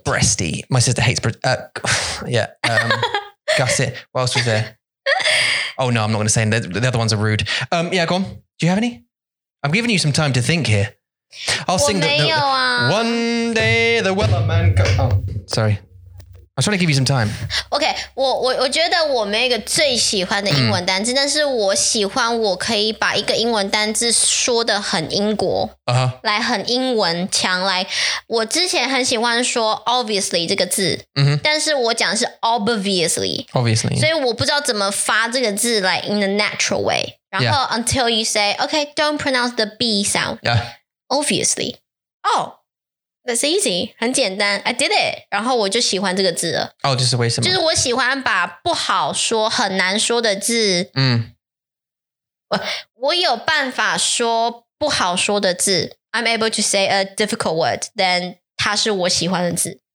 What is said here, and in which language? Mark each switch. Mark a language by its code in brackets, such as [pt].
[en] Breasty. My sister hates breasty. yeah. gusset. What else was there? Oh, no, I'm not going to say them. The other ones are rude. Yeah, go on. Do you have any? I'm giving you some time to think here. I'll sing the one day the weatherman comes. Oh, sorry. I was trying to give you some time. [zh] Okay, 我觉得我没有一个最喜欢的英文单字，但是我喜欢我可以把一个英文单字说得很英国、 uh-huh. 来很英文强来。我之前很喜欢说 obviously 这个字、 mm-hmm. 但是我讲的是 obviously. [en] Obviously. [zh] 所以我不知道怎么发这个字 [en] like in a natural way. [zh] 然后、 [en] yeah. until you say, okay, don't pronounce the B sound. Yeah. [zh] Obviously. Oh. [en] That's easy, [zh] 很简单 [en] I did it, [zh] 然后我就喜欢这个字了。哦，这是为什么？就是我喜欢把不好说、很难说的字。嗯。我有办法说不好说的字。 [en] I'm able to say a difficult word, then [zh] 它是我喜欢的字。